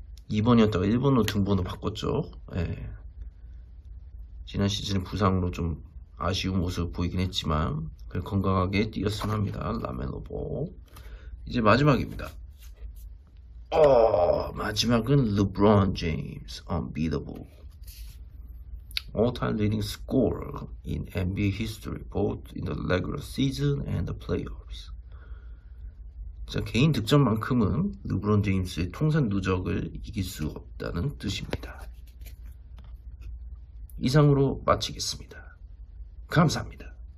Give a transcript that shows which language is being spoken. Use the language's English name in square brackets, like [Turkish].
[Korean] 2번이었다가 1번으로 등번호 바꿨죠. 예. 지난 시즌 부상으로 좀 아쉬운 모습을 보이긴 했지만 건강하게 뛰었으면 합니다. 라멜로 볼. 이제 마지막입니다. 마지막은 르브론 제임스, unbeatable. [English] All time leading scorer in NBA history, both in the regular season and the playoffs. [Korean] 자, 개인 득점만큼은 르브론 제임스의 통산 누적을 이길 수 없다는 뜻입니다. 이상으로 마치겠습니다. 감사합니다.